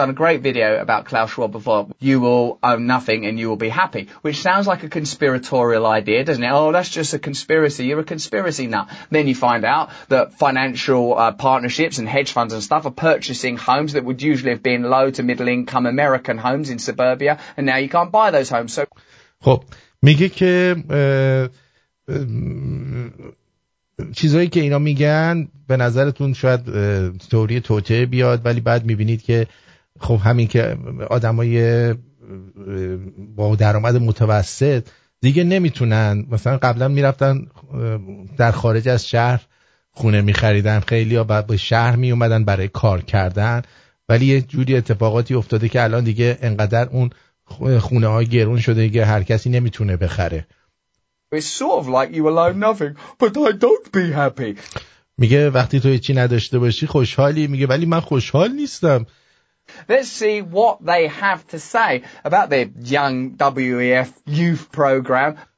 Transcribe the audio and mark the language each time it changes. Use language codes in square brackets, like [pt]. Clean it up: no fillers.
[en] We've done a great video about Klaus Schwab before. You will own nothing and you will be happy, which sounds like a conspiratorial idea, doesn't it? Oh, that's just a conspiracy. You're a conspiracy nut. Then you find out that financial partnerships and hedge funds and stuff are purchasing homes that would usually have been low to middle income American homes in suburbia, and now you can't buy those homes. So [fa] خب میگه که چیزایی که اینا میگن به نظرتون شاید توری توته بیاد، ولی بعد میبینید که خب همین که آدمای با درآمد متوسط دیگه نمیتونن، مثلا قبلا میرفتن در خارج از شهر خونه میخریدن، خیلی ها بعد به شهر میومدن برای کار کردن، ولی یه جوری اتفاقاتی افتاده که الان دیگه انقدر اون خونه ها گرون شده که هر کسی نمیتونه بخره. [en] It's sort of like you allow nothing, but I don't be happy. [fa] میگه وقتی تو چی نداشته باشی خوشحالی، میگه ولی من خوشحال نیستم. [en] Let's see what they have to say about their young WEF youth program.